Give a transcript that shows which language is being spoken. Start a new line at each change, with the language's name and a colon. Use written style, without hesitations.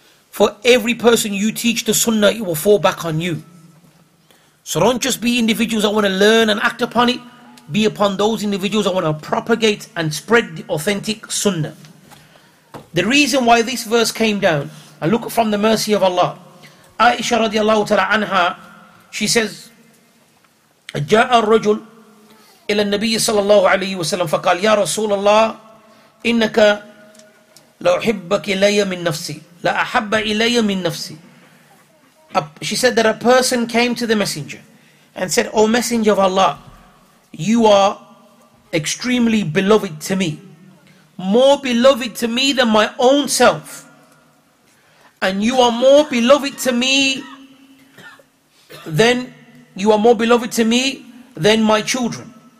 English: For every person you teach the sunnah, it will fall back on you. So don't just be individuals that want to learn and act upon it. Be upon those individuals that want to propagate and spread the authentic sunnah. The reason why this verse came down, and look from the mercy of Allah. Aisha radiallahu ta'ala anha, she says,
Arabic: جَاءَ الرَّجُلُ إِلَى النَّبِيِّ صَلَى اللَّهُ عَلَيْهِ وَسَلَّمَ فَقَالْ يَا رَسُولَ اللَّهِ إِنَّكَ لَوْحِبَّكِ لَيَّ مِنْ نَفْسِي. La ahabba ilayya min nafsi.
English: She said that a person came to the messenger and said, O messenger of Allah, you are extremely beloved to me, more beloved to me than my own self, and you are more beloved to me than you are more beloved to me than my children.